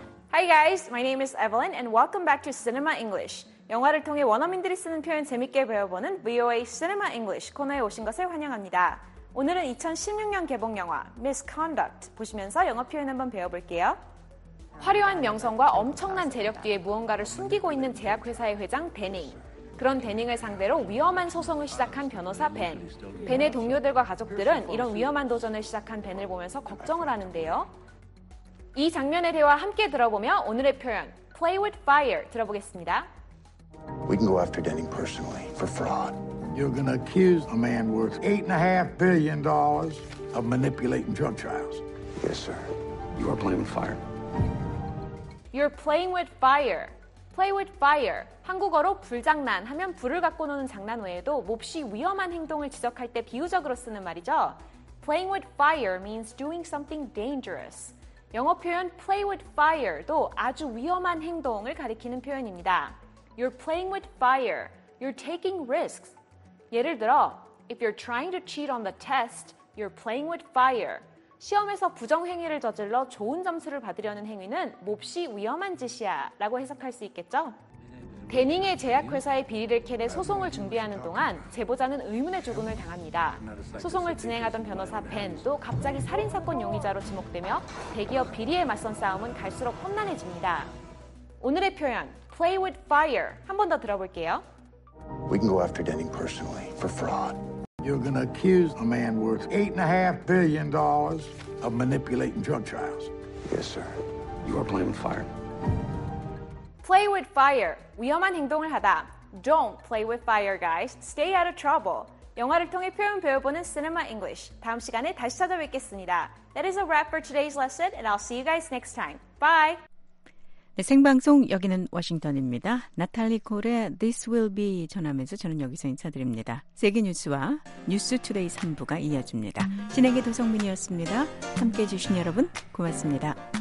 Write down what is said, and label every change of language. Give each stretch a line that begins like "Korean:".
English: 하이 guys, my name is Evelyn and welcome back to Cinema English.
Korean: 영화를 통해 원어민들이 쓰는 표현 재밌게 배워보는 VOA Cinema English 코너에 오신 것을 환영합니다. 오늘은 2016년 개봉 영화 Misconduct 보시면서 영어 표현 한번 배워볼게요. 화려한 명성과 엄청난 재력 뒤에 무언가를 숨기고 있는 제약회사의 회장 데닝. 그런 데닝을 상대로 위험한 소송을 시작한 변호사 벤. 벤의 동료들과 가족들은 이런 위험한 도전을 시작한 벤을 보면서 걱정을 하는데요. 이 장면의 대화 함께 들어보며 오늘의 표현
English: Play with fire
Korean: 들어보겠습니다.
English: We can go after Denning personally for fraud. You're going to accuse a man worth $8.5 billion of manipulating drug trials. Yes, sir. You are playing with fire. You're playing with fire. Play with fire.
Korean: 한국어로 불장난 하면 불을 갖고 노는 장난 외에도 몹시 위험한 행동을 지적할 때 비유적으로 쓰는 말이죠.
English: Playing with fire means doing something dangerous.
Korean: 영어 표현
English: play with fire
Korean: 도 아주 위험한 행동을 가리키는 표현입니다.
English: You're playing with fire. You're taking risks.
Korean: 예를 들어,
English: if you're trying to cheat on the test, you're playing with fire.
Korean: 시험에서 부정행위를 저질러 좋은 점수를 받으려는 행위는 몹시 위험한 짓이야 라고 해석할 수 있겠죠? 데닝의 제약회사의 비리를 캐내 소송을 준비하는 동안 제보자는 의문의 죽음을 당합니다. 소송을 진행하던 변호사 벤도 갑자기 살인사건 용의자로 지목되며 대기업 비리에 맞선 싸움은 갈수록 험난해집니다. 오늘의 표현,
English: play with fire,
Korean: 한 번 더 들어볼게요.
English: We can go after Denning personally for fraud. You're going to accuse a man worth $8.5 billion of manipulating drug trials. Yes, sir. You are playing with fire. Play with fire.
Korean: 위험한 행동을 하다.
English: Don't play with fire, guys. Stay out of trouble.
Korean: 영화를 통해 표현 배워보는 Cinema English. 다음 시간에 다시 찾아뵙겠습니다.
English: That is a wrap for today's lesson, and I'll see you guys next time. Bye.
Korean: 네, 생방송 여기는 워싱턴입니다. 나탈리 콜의 This Will Be 전하면서 저는 여기서 인사드립니다. 세계 뉴스와 뉴스 투데이 3부가 이어집니다. 진행의 도성민이었습니다. 함께해 주신 여러분 고맙습니다.